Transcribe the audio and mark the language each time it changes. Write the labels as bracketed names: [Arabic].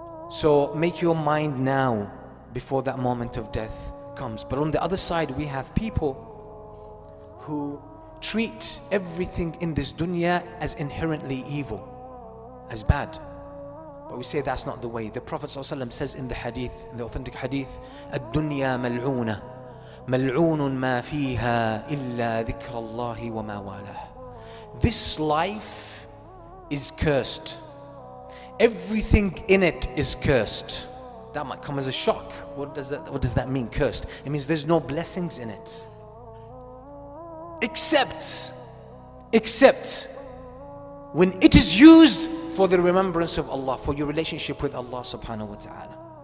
[English] So make your mind now before that moment of death comes. But on the other side, we have people who treat everything in this dunya as inherently evil, as bad. But we say that's not the way. The Prophet ﷺ says in the hadith, in the authentic hadith, [Arabic] الدنيا ملعونة ملعون ما فيها إلا ذكر الله وما والاه. [English] This life is cursed. Everything in it is cursed. That might come as a shock. What does that mean, cursed? It means there's no blessings in it. Except when it is used for the remembrance of Allah, for your relationship with Allah subhanahu wa ta'ala.